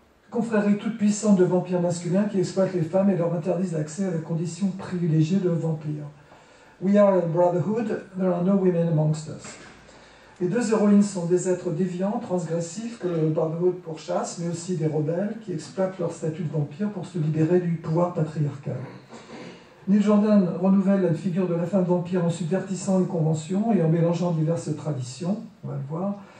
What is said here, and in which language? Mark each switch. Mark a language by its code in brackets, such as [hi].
[fr] Confrérie toute puissante de vampires masculins qui exploitent les femmes et leur interdisent l'accès à la condition privilégiée de vampire. [en] We are a brotherhood, there are no women amongst us. [fr] Les deux héroïnes sont des êtres déviants, transgressifs, que le brotherhood pourchasse, mais aussi des rebelles qui exploitent leur statut de vampire pour se libérer du pouvoir patriarcal. Neil Jordan renouvelle la figure de la femme vampire en subvertissant les conventions et en mélangeant diverses traditions, on va le voir.